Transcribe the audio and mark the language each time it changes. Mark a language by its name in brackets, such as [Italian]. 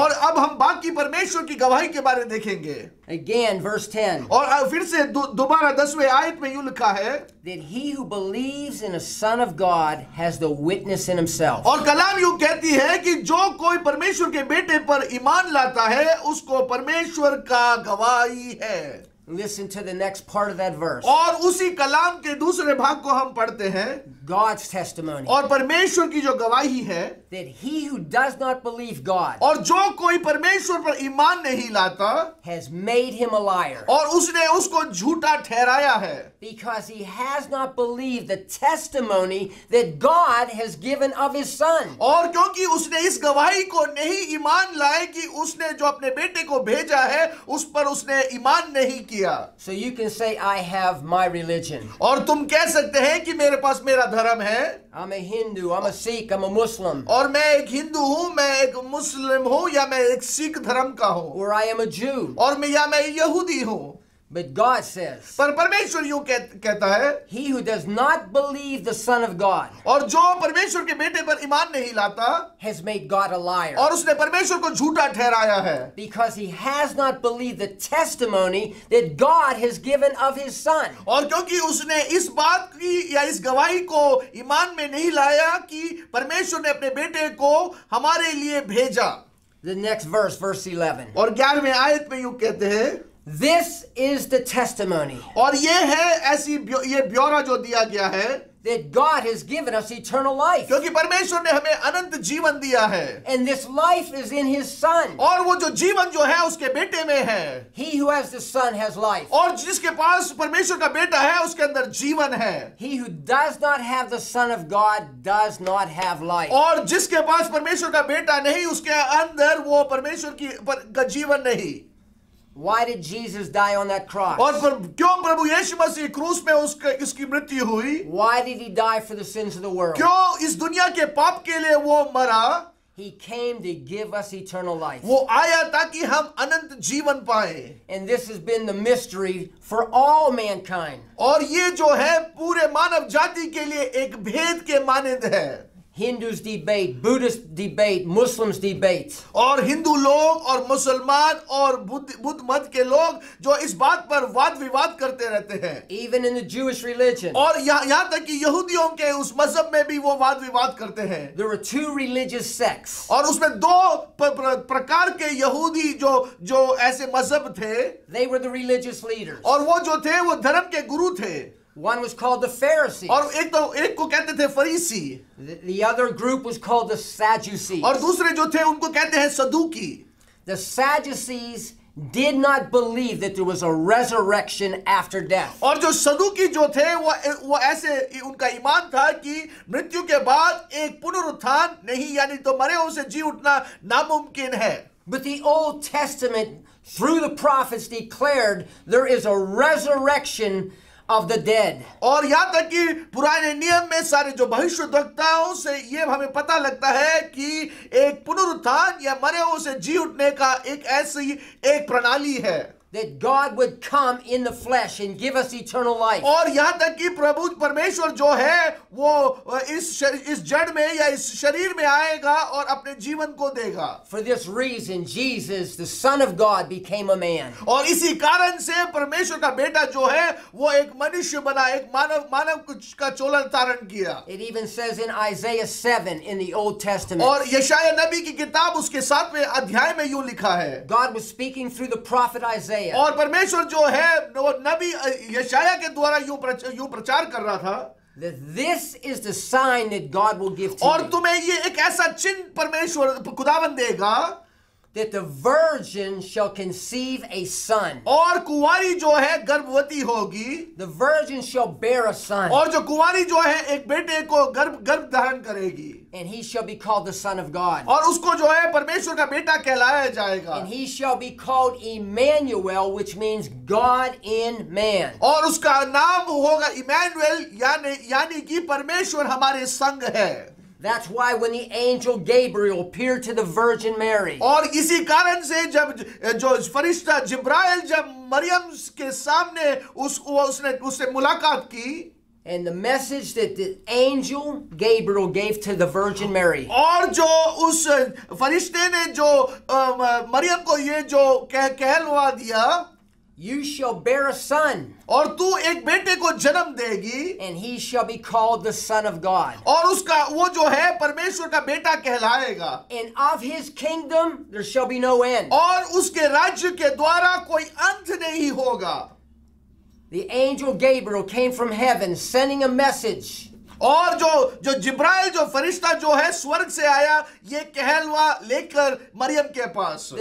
[Hindi] और अब हम बाकी परमेश्वर की गवाही के बारे देखेंगे. [English] Again, verse 10. [Hindi] और फिर से दोबारा 10वें आयत में यूं लिखा है. [English] That he who believes in a son of God has the witness in himself. [Hindi] और कलाम यूं कहती है कि जो कोई परमेश्वर के बेटे पर ईमान लाता है उसको परमेश्वर का गवाही है. [English] Listen to the next part of that verse. [Hindi] और उसी कलाम के दूसरे भाग को हम पढ़ते हैं. [English] God's testimony. [Hindi] और परमेश्वर की जो गवाही है. [English] That he who does not believe God. [Hindi] और जो कोई परमेश्वर पर ईमान नहीं लाता. [English] Has made him a liar. [Hindi] और उसने उसको झूठा ठहराया है. [English] Because he has not believed the testimony that God has given of his son. [Hindi] और क्योंकि उसने इस गवाही को नहीं ईमान लाए कि उसने जो अपने बेटे को भेजा है उस पर उसने ईमान नहीं किया. [English] So you can say I have my religion. [Hindi] और तुम कह सकते हैं कि मेरे पास मेरा धर्म है. [English] I'm a Hindu, I'm a Sikh, I'm a Muslim. [Hindi] और मैं एक हिंदू हूँ, मैं एक मुस्लिम हूँ, या मैं एक सिख धर्म का हूँ. [English] Or I am a Jew. [Hindi] और मैं या मैं यहूदी हूँ. [English] But God says. [Hindi] पर परमेश्वर यूं कहता है. [English] He who does not believe the Son of God. [Hindi] और जो परमेश्वर के बेटे पर ईमान नहीं लाता. [English] Has made God a liar. [Hindi] और उसने परमेश्वर को झूठा ठहराया है. [English] Because he has not believed the testimony that God has given of his Son. [Hindi] और क्योंकि उसने इस बात की या इस गवाही को ईमान में नहीं लाया कि परमेश्वर ने अपने बेटे को हमारे लिए भेजा. [English] The next verse, verse 11. [Hindi] और 11वें आयत में यूं कहते हैं. [English] This is the testimony. [Hindi] और ये है ऐसी ये ब्योरा जो दिया गया है. [English] That God has given us eternal life. [Hindi] क्योंकि परमेश्वर ने हमें अनंत जीवन दिया है. [English] And this life is in His Son. [Hindi] और वो जो जीवन जो है उसके बेटे में है. [English] He who has the Son has life. [Hindi] और जिसके पास परमेश्वर का बेटा है उसके अंदर जीवन है. [English] He who does not have the Son of God does not have life. [Hindi] और जिसके पास परमेश्वर का बेटा नहीं उसके अंदर वो परमेश्वर की का जीवन नहीं. [English] Why did Jesus die on that cross? [Hindi] और क्यों प्रभु यीशु मसीह क्रूस पे उसकी मृत्यु हुई? [English] Why did he die for the sins of the world? [Hindi] क्यों इस दुनिया के पाप के लिए वो मरा? [English] He came to give us eternal life. [Hindi] वो आया ताकि हम अनंत जीवन पाएं. [English] And this has been the mystery for all mankind. [Hindi] और ये जो है पूरे मानव जाति के लिए एक भेद के मानिंद है. [English] Hindus debate, Buddhists debate, Muslims debate. [Hindi] और हिंदू लोग और मुसलमान और बुद्ध मत के लोग जो इस बात पर वाद विवाद करते रहते हैं. [English] Even in the Jewish religion. [Hindi] और यहाँ तक कि यहूदियों के उस मजहब में भी वो वाद विवाद करते हैं. [English] There are two religious sects. [Hindi] और उसमें दो प्रकार के यहूदी जो ऐसे मजहब थे. [English] They were the religious leaders. [Hindi] और वो जो थे वो धर्म के गुरु थे. [English] One was called the Pharisees. [Hindi] और एक तो एक को कहते थे फरीसी. [English] The other group was called the Sadducees. [Hindi] और दूसरे जो थे उनको कहते हैं सदूकी. [English] The Sadducees did not believe that there was a resurrection after death. [Hindi] और जो सदूकी जो थे वो ऐसे उनका ईमान था कि मृत्यु के बाद एक पुनरुत्थान नहीं यानी तो मरे हुए से जी उठना नामुमकिन है. [English] But the Old Testament through the prophets declared there is a resurrection of the dead. [Hindi] और यहाँ तक कि पुराने नियम में सारे जो भविष्यवक्ताओं से ये हमें पता लगता है कि एक पुनरुत्थान या मरे हुओं से जी उठने का एक ऐसी एक प्रणाली है. [English] That God would come in the flesh and give us eternal life. [Hindi] और यहाँ तक कि प्रभु परमेश्वर जो है वो इस जड़ में या इस शरीर में आएगा और अपने जीवन को देगा. [English] For this reason, Jesus, the Son of God, became a man. [Hindi] और इसी कारण से परमेश्वर का बेटा जो है वो एक मनुष्य बना एक मानव का चोला धारण किया. [English] It even says in Isaiah 7 in the Old Testament. [Hindi] और यशायाह नबी की किताब उसके सातवें अध्याय में यूं लिखा है. [English] God was speaking through the prophet Isaiah. [Hindi] और परमेश्वर जो है वो नबी यशाया के द्वारा यूं प्रचार कर रहा था. [English] That this is the sign that God will give to [Hindi] और तुम्हें ये एक ऐसा चिन्ह परमेश्वर खुदावन देगा. [English] that the virgin shall conceive a son. [Hindi] और कुवारी जो है गर्भवती होगी. [English] The virgin shall bear a son. [Hindi] और जो कुवारी जो है एक बेटे को गर्भ धारण करेगी. [English] And he shall be called the son of God. [Hindi] और उसको जो है परमेश्वर का बेटा कहलाया जाएगा. [English] And he shall be called Emmanuel, which means God in man. [Hindi] और उसका नाम होगा Emmanuel, यानी कि परमेश्वर हमारे संग है. [English] That's why when the angel Gabriel appeared to the Virgin Mary. [Hindi] और इसी कारण से जब जो फरिश्ता जिब्राइल जब मरियम के सामने उसने मुलाकात की. [English] And the message that the angel Gabriel gave to the Virgin Mary. [Hindi] और जो उस फरिश्ते ने जो मरियम को ये जो कहलवा दिया. [English] You shall bear a son. [Hindi] और तू एक बेटे को जन्म देगी. [English] And he shall be called the son of God. [Hindi] और उसका वो जो है परमेश्वर का बेटा कहलाएगा. [English] And of his kingdom there shall be no end. [Hindi] और उसके राज्य के द्वारा कोई अंत नहीं होगा. [English] The angel Gabriel came from heaven sending a message. [Hindi] और जो जिब्राइल जो फरिश्ता जो है स्वर्ग से आया ये कहलवा लेकर मरियम के पास.